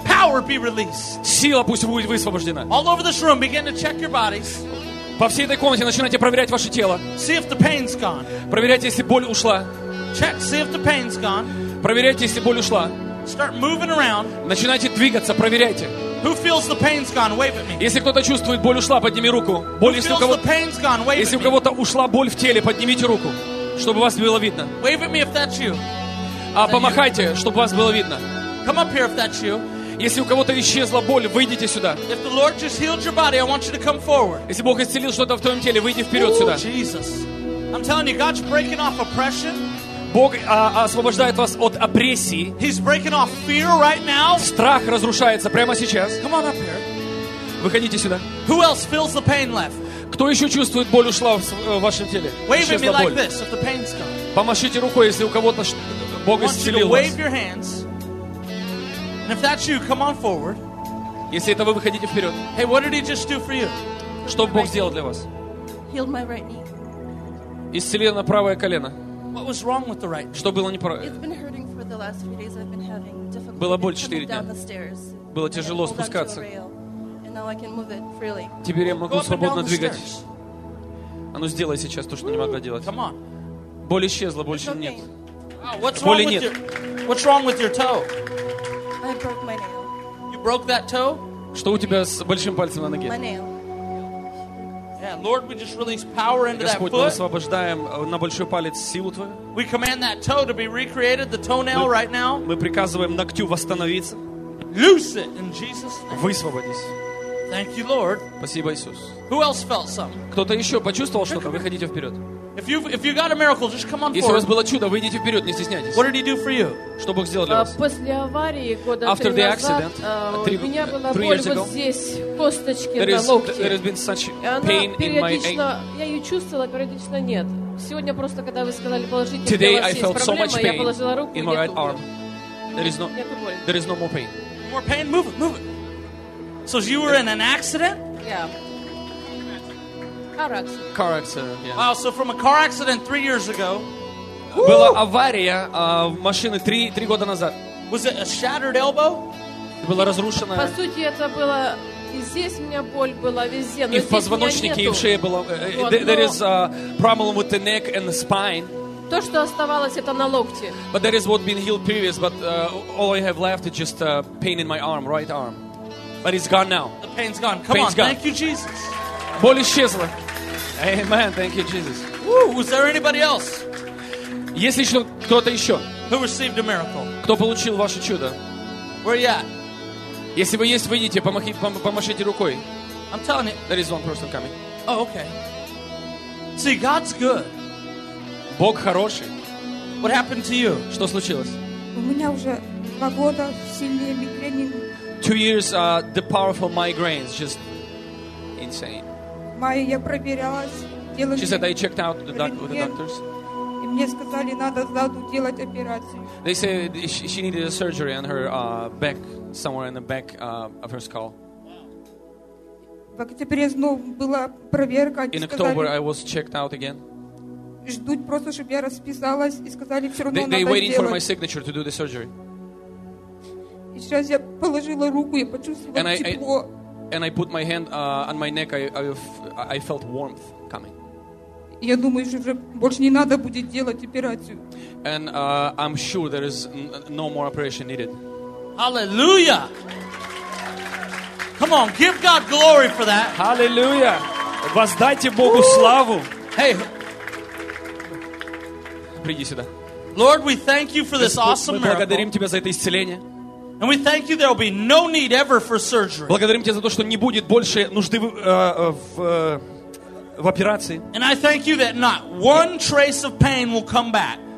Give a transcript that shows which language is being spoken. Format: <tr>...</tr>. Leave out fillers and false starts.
<en>Power be released.</en> <ru>Сила пусть будет высвобождена.</ru> <en>All over this room, begin to check your bodies.</en> <ru>По всей этой комнате начинайте проверять ваше тело.</ru> <en>See if the pain's gone.</en> <ru>Проверяйте, если боль ушла.</ru> <en>Check, see if the pain's gone.</en> <ru>Проверяйте, если боль ушла.</ru> <en>Start moving around.</en> <ru>Начинайте двигаться, проверяйте.</ru> <en>Who feels the pain's gone? Wave at me.</en> <ru>Если кто-то чувствует боль ушла, подними руку. Если у кого-то ушла боль в теле, поднимите руку, чтобы вас было видно.</ru> <en>Wave at me if that's you.</en> <ru>Помахайте, чтобы вас было видно.</ru> <en>Come up here if that's you.</en> <ru>Если у кого-то исчезла боль, выйдите сюда.</ru> <en>Body,</en> <ru>если Бог исцелил что-то в твоем теле, выйди вперед сюда.</ru> <en>I'm telling you, God's breaking off oppression.</en> <ru>Бог освобождает вас от опрессии.</ru> <en>He's breaking off fear right now.</en> <ru>Страх разрушается прямо сейчас.</ru> <en>Come on up here.</en> <ru>Выходите сюда.</ru> <en>Who else feels the pain left?</en> <ru>Кто еще чувствует боль ушла в вашем теле?</ru> <en>Wave at me like this, if the pain's gone.</en> <ru>Помашите рукой, если у кого-то Бог исцелил</ru> <en>вас. And if that's you, come on forward.</en> <ru>Если это вы, выходите вперед.</ru> <en>Hey, what did he just do for you?</en> <ru>Что Бог сделал для вас?</ru> <en>Healed my right knee.</en> <ru>Исцелил на правое колено.</ru> <en>What was wrong with the right knee?</en> <ru>Что было неправо?</ru> <en>It's been hurting for the last few days. I've been having difficulty.</en> <ru>Было боль 4 дня.</ru> <en>Down the stairs.</en> <ru>Было тяжело спускаться.</ru> <en>And now I can move it freely.</en> <ru>Теперь я могу свободно двигать. А ну сделай сейчас то, что не могла делать. Come on. Боль исчезла, больше нет. Боли нет.</ru> <en>What's wrong with your toe? I broke my nail. You broke that toe?</en> <ru>Что у тебя с большим пальцем на ноге?</ru> <en>My nail. Yeah, Lord, we just release power into that foot.</en> <ru>Господь, мы освобождаем на большой палец силу твою.</ru> <en>We command that toe to be recreated, the toenail right now.</en> <ru>Мы приказываем ногтю восстановиться.</ru> <en>Loose it in Jesus' name.</en> <ru>Высвободись.</ru> <en>Thank you, Lord.</en> <ru>Спасибо, Иисус.</ru> <en>Who else felt something?</en> <ru>Кто-то еще почувствовал что-то? Выходите вперед.</ru> <en>If you got a miracle, just come on forward.</en> <ru>Если у вас было чудо, выйдите вперед, не стесняйтесь.</ru> <en>What did he do for you?</en> <ru>Что Бог сделал для вас? После аварии года</ru> <en>After</en> <ru>три назад, у меня была боль вот здесь, косточки на локте.</ru> <en>There has been such pain in my ankle.</en> <ru>Я ее чувствовала, периодично нет. Сегодня просто, когда вы сказали положить, у вас есть проблема, я положила руку, нету.</ru> <en>There is no more pain. More pain? Move it. So you were in an accident? Yeah. Car accident. Car accident, yeah. Wow, so from a car accident 3 years ago.</en> <ru>Была авария машины 3 года назад.</ru> <en>Was it a shattered elbow?</en> <ru>Была разрушена. По сути, это было здесь у меня боль была везде, но и в позвоночнике, и в шее было.</ru> <en>There is a problem with the neck and the spine.</en> <ru>То, что оставалось, это на локте.</ru> <en>But that is what been healed previous, but all I have left is just pain in my arm, right arm. But it's gone now. The pain's gone. Come Gone. Thank you, Jesus.</en> <ru>Боль исчезла.</ru> <en>Amen. Thank you, Jesus. Woo, was there anybody else?</en> <ru>Есть еще кто-то еще?</ru> <en>Who received a miracle?</en> <ru>Кто получил ваше чудо?</ru> <en>Where are you at?</en> <ru>Если вы есть, выйдите, помашите рукой.</ru> <en>I'm telling you. There is one person coming. Oh, okay. See, God's good.</en> <ru>Бог хороший.</ru> <en>What happened to you?</en> <ru>Что случилось? У меня уже 2 года сильные мигрени.</ru> <en>2 years, the powerful migraines, just insane.</en> <ru>Майя, я проверялась.</ru> <en>She said I checked out with the doctors.</en> <ru>И мне сказали, надо сзаду делать операцию.</ru> <en>They said she needed a surgery on her back, somewhere in the back of her skull.</en> <ru>В октябре снова была проверка.</ru> <en>In October, I was checked out again.</en> <ru>Ждут просто, чтобы я расписалась, и сказали, все равно надо сделать.</ru> <en>They waiting for my signature to do the surgery.</en> <ru>И сейчас я положила руку, я почувствовала тепло.</ru> <en>And I put my hand on my neck. I felt warmth coming.</en> <ru>Я думаю, что уже больше не надо будет делать операцию.</ru> <en>And I'm sure there is no more operation needed. Hallelujah! Come on, give God glory for that. Hallelujah!</en> <ru>Воздайте Богу славу.</ru> <en>Hey.</en> <ru>Приди сюда.</ru> <en>Lord, we thank you for this awesome miracle.</en> <ru>Мы благодарим тебя за это исцеление.</ru> <en>And we thank you there will be no need ever for surgery.</en> <ru>Благодарим тебя за то, что не будет больше нужды в операции.</ru> <en>And I thank you that not one trace of pain will come back.</en>